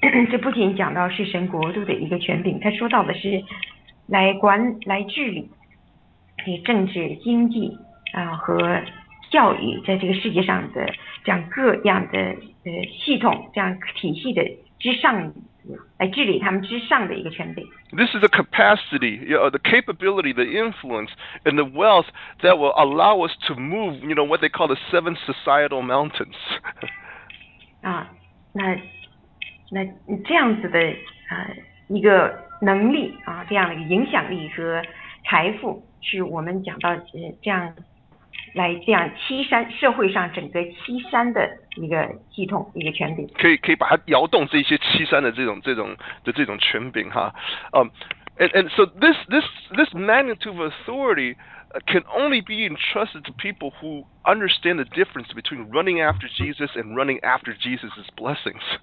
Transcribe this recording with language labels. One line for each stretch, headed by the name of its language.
Chinese: 这不仅讲到是神国度的一个权柄，他说到的是来治理，政治、经济和。教育在这个世界上的这样各样的系统这样体系的之上来治理他们之上的一个权柄。
English: This is the capacity, you know, the capability, the influence, and the wealth that will allow us to move, you know, what they call the seven societal mountains.
Chinese: 那这样子的一个能力这样的影响力和财富是我们讲到这样来这样七山社会上整个七山的一个系统一个权柄，可以把它摇动这些七山的这种权柄哈。
English: And so this magnitude of authority can only be entrusted to people who understand the difference between running after Jesus and running after Jesus' blessings.